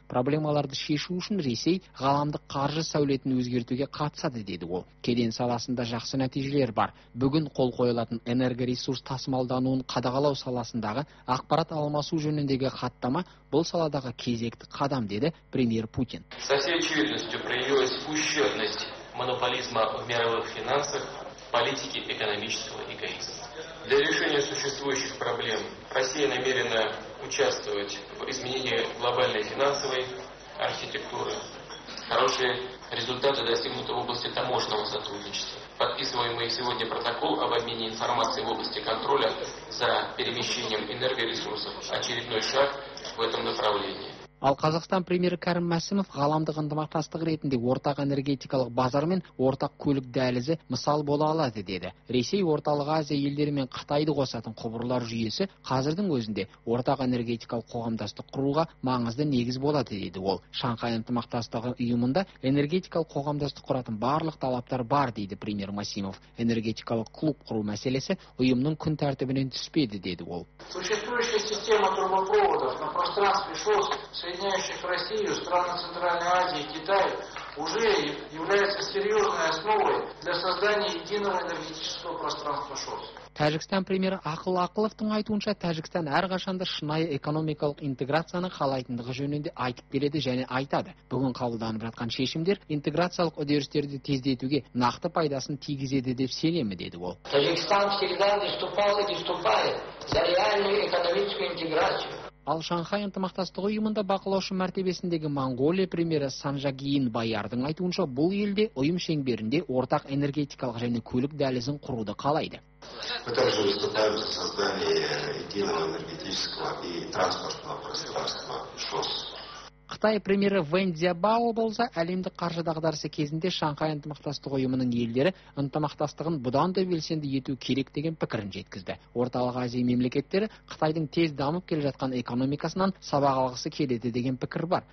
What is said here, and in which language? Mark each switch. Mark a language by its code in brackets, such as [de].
[kk] Проблемаларды шешу үшін Ресей ғаламдық қаржы сәулетін өзгертуге қатысады деді ол. Кеден саласында жақсы нәтижелер бар. Бүгін қол қойылатын энергоресурс тасымал дануын қадағалау саласындағы ақпарат алмасу жөніндегі хаттама бұл саладағы кезекті қадам деді премьер Путин. [ru] Со всей очевидностью проявилась ущербность монополизма в мировых финансах, политике экономического эгоизма. Для решения существующих проблем Россия намерена участвовать в изменении глобальной финансовой архитектуры. Хорошие результаты достигнуты в области таможенного сотрудничества. Подписываемый сегодня протокол об обмене информацией в области контроля за перемещением энергоресурсов – очередной шаг в этом направлении. [kk] Ал Қазақстан премьері Кәрім Мәсімов ғаламдық ынтымақтастық ретінде ортақ энергетикалық базар мен ортақ көлік дәлізі мысал бола алады деді. Ресей Орталық Азия елдері мен Қытайды қосатын құбырлар жүйесі қазірдің өзінде ортақ энергетикалық қоғамдастық құруға маңызды негіз болады деді ол. Шанхай ынтымақтастығы ұйымында энергетикалық қоғамдастық құратын барлық талаптар бар дейді премьер Мәсімов. Энергетикалық клуб құру мәселесі ұйымның күн тәртібінен түспейді деді ол. [ru] Существующая система трубопроводов на пространстве ШОС соединяющих Россию, страны Центральной Азии, Китай, уже является серьезной основой для создания единого энергетического пространства ШОС. [kk] Тәжікстан премьері Ақыл Ақыловтың айтуынша, Тәжікстан әрқашанда шынайы экономикалық интеграцияны қалайтындығы жөнінде айтып келеді және айтады. Бүгін қабылданып жатқан шешімдер интеграциялық үдерістерді тездетуге нақты пайдасын тигізеді деп сенемін, деді ол. [ru] Тәжікстан всегда выступал и выступает за реальную экономическую интеграцию. [kk] Ал Шанхай ынтымақтастығы ұйымында бақылаушы мәртебесіндегі Монголия премьері Санжагиин Баярдың айтуынша, бұл елде ұйым шеңберінде ортақ энергетикалық және көлік дәлізін құруды қалайды. [ru] Мы также выступаем за создание единого энергетического и транспортного пространства ШОС. [kk] Қытай премьері Вэн Цзябао болса, әлемдік қаржы дағдарысы кезінде Шанхай ынтымақтастығы ұйымының елдері ынтымақтастығын бұдан да белсенді ету керек деген пікірін жеткізді. Орталық Азия мемлекеттері Қытайдың тез дамып келе жатқан экономикасынан сабақ алғысы келеді деген пікір бар.